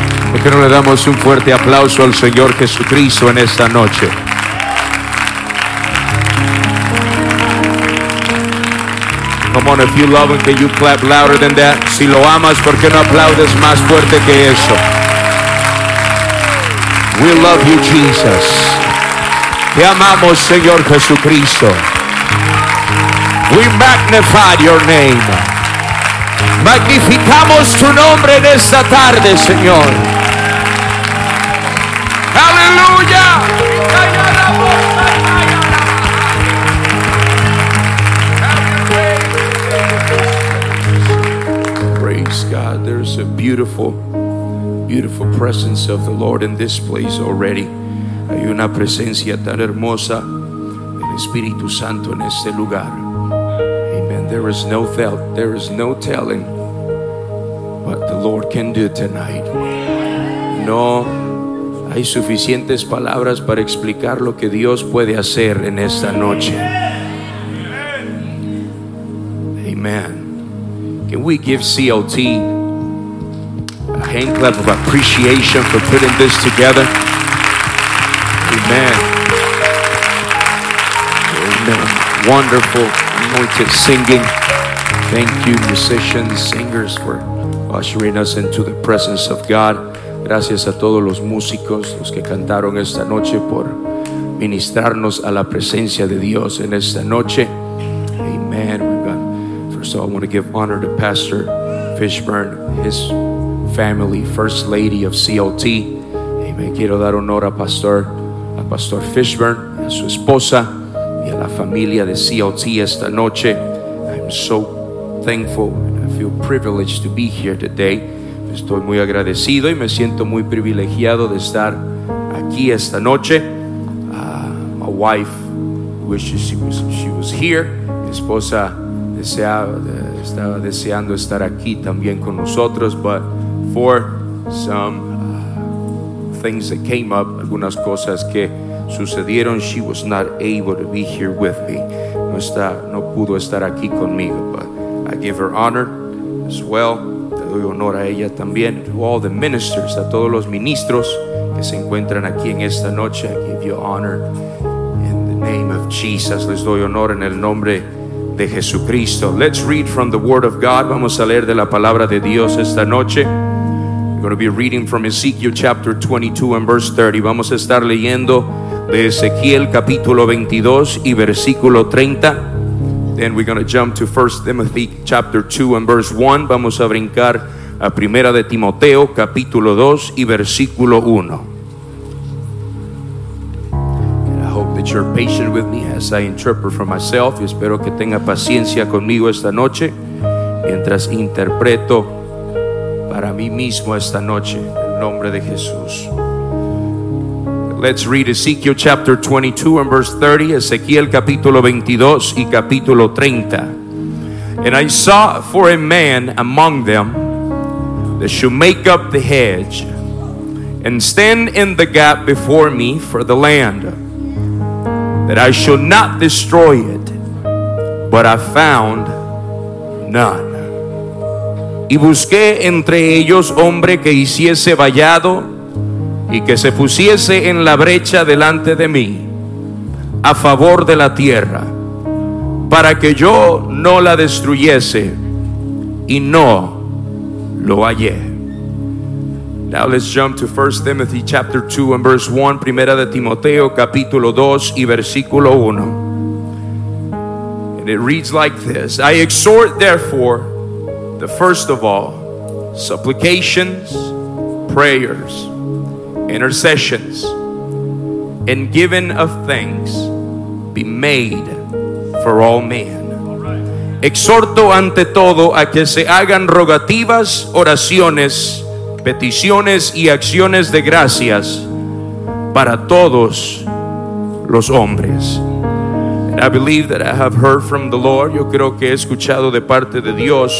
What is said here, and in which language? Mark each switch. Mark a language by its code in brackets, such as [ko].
[es] ¿Por qué no le damos un fuerte aplauso al Señor Jesucristo en esta noche? [en] Come on, if you love him, can you clap louder than that? [es] Si lo amas, ¿por qué no aplaudes más fuerte que eso? [en] We love you, Jesus. [es] Te amamos, Señor Jesucristo. [en] We magnify your name. [es] Magnificamos tu nombre en esta tarde, Señor. Aleluya. [en] Praise God. There's a beautiful presence of the Lord in this place already. [es] Hay una presencia tan hermosa del Espíritu Santo en este lugar. [en] Amen. There is no telling what the Lord can do tonight. [es] No hay suficientes palabras para explicar lo que Dios puede hacer en esta noche. [en] Amen. Can we give CLT a hand clap of appreciation for putting this together? Amen. Amen. Wonderful anointed singing. Thank you, musicians, singers, for ushering us into the presence of God. [es] Gracias a todos los músicos, los que cantaron esta noche, por ministrarnos a la presencia de Dios en esta noche. [en] Amen. First of all, I want to give honor to Pastor Fishburn, his family, First Lady of CLT. Amen. [es] Quiero dar honor a Pastor Fishburn, a su esposa y a la familia de CLT esta noche. [en] I'm so thankful and I feel privileged to be here today. [es] Estoy muy agradecido y me siento muy privilegiado de estar aquí esta noche. [en] My wife wishes she was here. [es] Mi esposa estaba deseando estar aquí también con nosotros, [en] but for some things that came up, [es] algunas cosas que sucedieron, [en] she was not able to be here with me. [es] No pudo estar aquí conmigo, [en] but I give her honor as well. [es] Le doy honor a ella también. [en] To all the ministers, [es] a todos los ministros que se encuentran aquí en esta noche, [en] I give you honor in the name of Jesus. [es] Les doy honor en el nombre de Jesucristo. [en] Let's read from the Word of God. [es] Vamos a leer de la palabra de Dios esta noche. [en] We're going to be reading from Ezekiel chapter 22 and verse 30. [es] Vamos a estar leyendo de Ezequiel capítulo 22 y versículo 30. [en] Then we're going to jump to 1 Timothy chapter 2 and verse 1. [es] Vamos a brincar a Primera de Timoteo capítulo 2 y versículo 1. [en] You're patient with me as I interpret for myself. [es] Y espero que tenga paciencia conmigo esta noche mientras interpreto para mí mismo esta noche en el nombre de Jesús. [en] Let's read Ezekiel chapter 22 and verse 30. [es] Ezequiel capítulo 22 y capítulo 30. [en] And I saw for a man among them that should make up the hedge and stand in the gap before me for the land, that I should not destroy it, but I found none. [es] Y busqué entre ellos hombre que hiciese vallado y que se pusiese en la brecha delante de mí a favor de la tierra, para que yo no la destruyese, y no lo hallé. [en] Now let's jump to 1 Timothy chapter 2 and verse 1, [es] Primera de Timoteo capítulo 2 y versículo 1. [en] And it reads like this: I exhort therefore the first of all, supplications, prayers, intercessions, and giving of thanks be made for all men. All right. [es] Exhorto ante todo a que se hagan rogativas, oraciones, peticiones y acciones de gracias para todos los hombres. [en] And I believe that I have heard from the Lord. [es] Yo creo que he escuchado de parte de Dios.